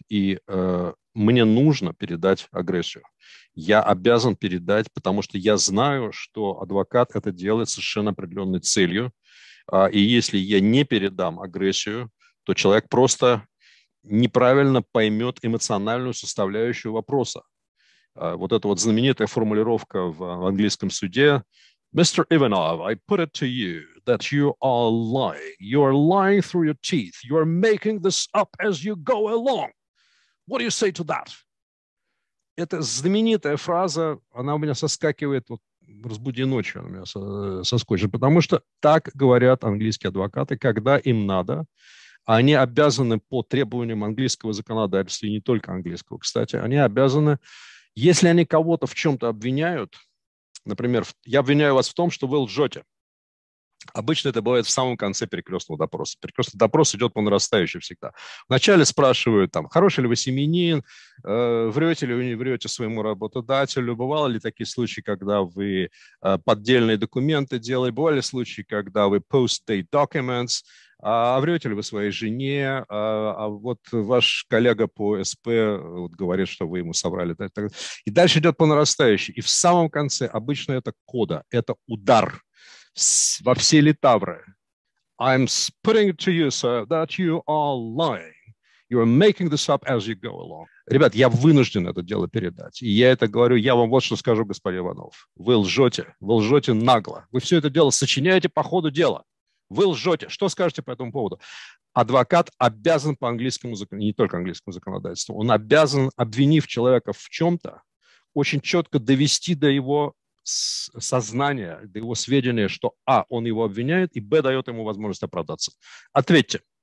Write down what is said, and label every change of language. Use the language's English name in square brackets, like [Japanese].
[Russian] И мне нужно передать агрессию. Я обязан передать, потому что я знаю, что адвокат это делает с совершенно определенной целью. И если я не передам агрессию, то человек просто неправильно поймет эмоциональную составляющую вопроса. Вот эта вот знаменитая формулировка в английском суде. [English] Mr. Ivanov, I put it to you that you are lying. You are lying through your teeth. You are making this up as you go along. What do you say to that? [Russian] Это знаменитая фраза, она у меня соскакивает, вот, разбуди ночью, она у меня соскочит, потому что так говорят английские адвокаты, когда им надо. Они обязаны по требованиям английского законодательства, и не только английского, кстати, они обязаны, если они кого-то в чем-то обвиняют, например, я обвиняю вас в том, что вы лжете. Обычно это бывает в самом конце перекрестного допроса. Перекрестный допрос идет по нарастающей всегда. Вначале спрашивают, там, хороший ли вы семьянин, врете ли вы не врете своему работодателю, бывали ли такие случаи, когда вы поддельные документы делали, бывали ли случаи, когда вы [English] post-date documents, [Russian] а врете ли вы своей жене, а вот ваш коллега по СП вот говорит, что вы ему соврали. И дальше идет по нарастающей. И в самом конце обычно это кода, это удар во все литавры. [English] I'm putting it to you, sir, that you are lying. You are making this up as you go along. [Russian] Ребят, я вынужден это дело передать. И я это говорю, я вам вот что скажу, господин Иванов. Вы лжете нагло. Вы все это дело сочиняете по ходу дела. Вы лжете. Что скажете по этому поводу? Адвокат обязан по английскому законодательству, не только английскому законодательству, он обязан, обвинив человека в чем-то, очень четко довести до его сознания, до его сведения, что а, он его обвиняет, и б, дает ему возможность оправдаться. Ответьте.